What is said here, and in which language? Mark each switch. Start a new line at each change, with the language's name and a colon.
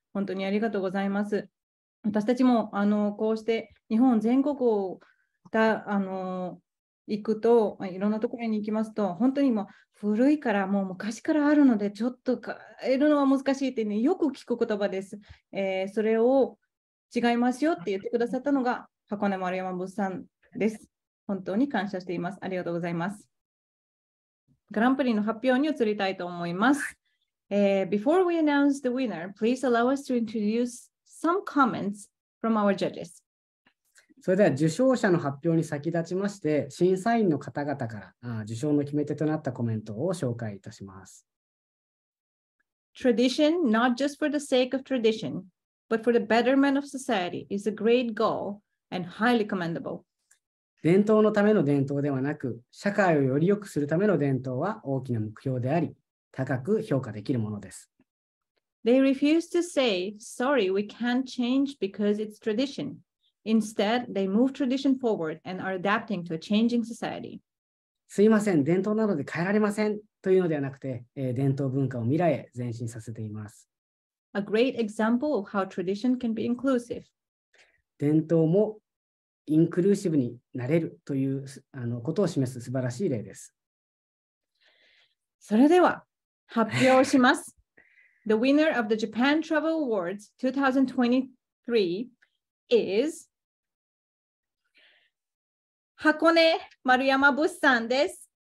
Japanese: 本当にありがとうございます。私たちもこうして日本全国を行くと、いろんなところに行きますと、本当にもう古いから、もう昔からあるので、ちょっと変えるのは難しいって、ね、よく聞く言葉です。それを違いますよって言ってくださったのが箱根丸山物産です。本当に感謝しています。ありがとうございます。グランプリの発表に移りたいと思います。
English: Before we announce the winner, please allow us to introduce some comments from our judges.
Japanese: それでは、受賞者の発表に先立ちまして、審査員の方々から受賞の決め手となったコメントを紹介いたします。
English: Tradition, not just for the sake of tradition, but for the betterment of society, is a great goalAnd highly commendable.
Japanese: 伝統のための伝統ではなく、社会をより良くするための伝統は大きな目標であり、高く評価できるものです。
English: They refuse to say, sorry, we can't change because it's tradition. Instead, they move tradition forward and are adapting to a changing society.
Japanese: すいません、伝統なので変えられませんというのではなくて、伝統文化を未来へ前進させています。
English: A great example of how tradition can be inclusive.
Japanese: 伝統もインクルーシブになれるということを示す素晴らしい例です。それでは発表します。
English: The winner of the Japan Travel Awards 2023 is 箱根丸山物産です。